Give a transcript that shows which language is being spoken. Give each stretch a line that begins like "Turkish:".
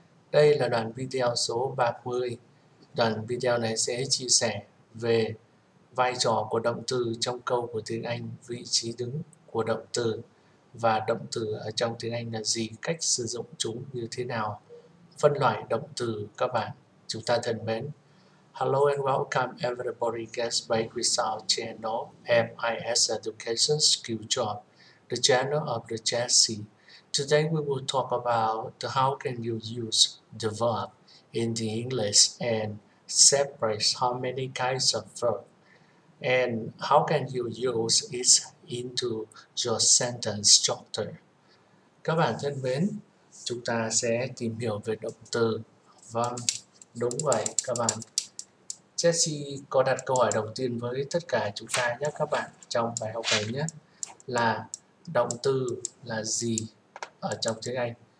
Vietnamese: Đây là đoạn video số 30. Đoạn video này sẽ chia sẻ về vai trò của động từ trong câu của tiếng Anh, vị trí đứng của động từ và động từ ở trong tiếng Anh là gì, cách sử dụng chúng như thế nào. Phân loại động từ các bạn, chúng ta thân mến.
English: Hello and welcome everybody guest back with our channel MIS Education Skill Job, the channel of the Jesse. Today we will talk about how can you use the verb in the English and separate how many kinds of verb and how can you use it into your sentence structure.
Vietnamese: Các bạn thân mến, chúng ta sẽ tìm hiểu về động từ. Vâng, đúng vậy các bạn. Jesse có đặt câu hỏi đầu tiên với tất cả chúng ta nhé các bạn trong bài học này nhé, là động từ là gì ở trong tiếng Anh?